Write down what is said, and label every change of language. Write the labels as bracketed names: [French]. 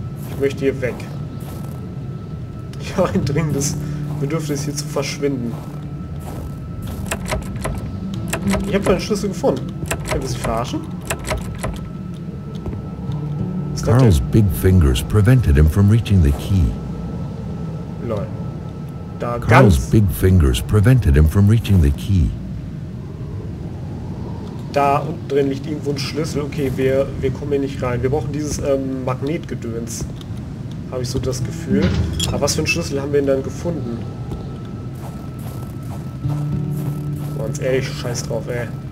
[German] Ich möchte hier weg. Ich habe ein dringendes Bedürfnis, hier zu verschwinden. Ich habe einen Schlüssel gefunden. Können Sie verarschen? [English] Carl's big fingers prevented him from reaching the key. [German] Lol. Da [English] Carl's big fingers prevented him from reaching the key. [German] Da unten drin liegt irgendwo ein Schlüssel. Okay, wir kommen hier nicht rein. Wir brauchen dieses Magnetgedöns. Habe ich so das Gefühl. Aber was für einen Schlüssel haben wir denn dann gefunden? Ganz ehrlich, scheiß drauf, ey.